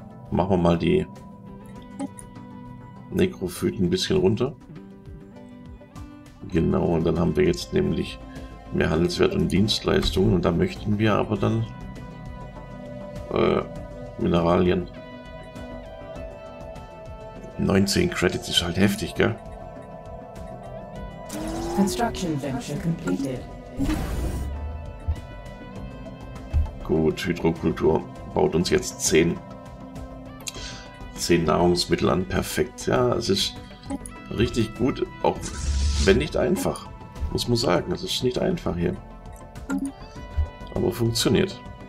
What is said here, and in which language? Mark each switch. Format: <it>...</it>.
<de>Machen wir mal die Nekrophyten ein bisschen runter. Genau. Und dann haben wir jetzt nämlich mehr Handelswert und Dienstleistungen, und da möchten wir aber dann Mineralien. 19 Credits ist halt heftig, gell?</de> <en>Construction venture completed.</en> <de>Gut, Hydrokultur baut uns jetzt 10 Nahrungsmittel an. Perfekt. Ja, es ist richtig gut, auch wenn nicht einfach. Muss man sagen, es ist nicht einfach hier. Aber funktioniert.</de>